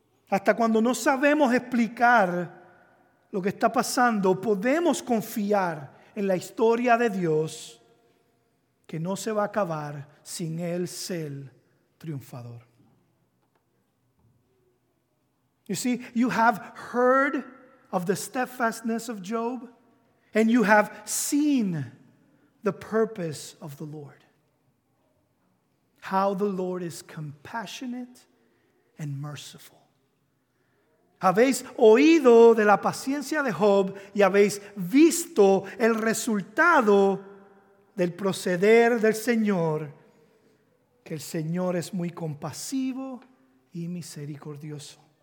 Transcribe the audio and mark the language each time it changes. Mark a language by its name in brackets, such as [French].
[Spanish] Hasta cuando no sabemos explicar lo que está pasando, podemos confiar en la historia de Dios que no se va a acabar sin él ser triunfador. [English] You see, you have heard of the steadfastness of Job, and you have seen the purpose of the Lord. How the Lord is compassionate and merciful. [Spanish] Habéis oído de la paciencia de Job y habéis visto el resultado del proceder del Señor, que el Señor es muy compasivo y misericordioso.